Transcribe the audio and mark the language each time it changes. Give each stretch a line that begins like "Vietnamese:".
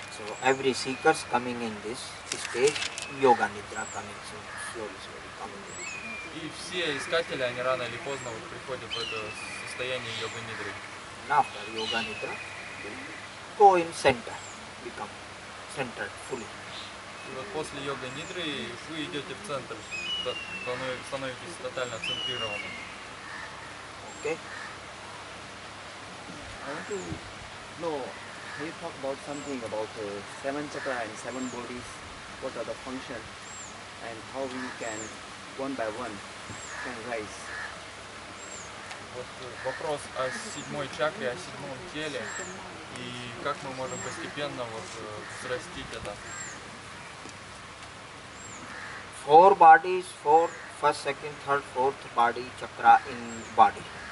English: So every seekers coming in this stage, yoga nidra coming soon, slowly, slowly coming in.
Russian: И все искатели, они рано или поздно вот приходят в это состояние йога нидры.
English: And after yoga nidra, go in center, become center fully.
Russian: И вот после йога нидры вы идете в центр, становитесь тотально центрированным.
English: Okay. I want to know, can you talk about something about the seven chakra and seven bodies? What are the functions and how we can one by one can rise.
Russian: Вот вопрос о седьмой чакре, о седьмом теле, и как мы можем постепенно вот взрастить это.
English: Four bodies, four, first, second, third, fourth body, chakra in body.